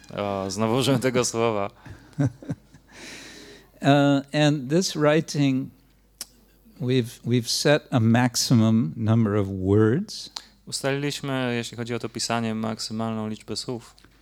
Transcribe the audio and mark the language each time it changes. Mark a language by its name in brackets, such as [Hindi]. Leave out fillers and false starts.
[Polish] O, znowu użyłem tego słowa. [English] And this writing, we've set a maximum number of words. [Polish] Ustaliliśmy, jeśli chodzi o to pisanie, maksymalną liczbę słów.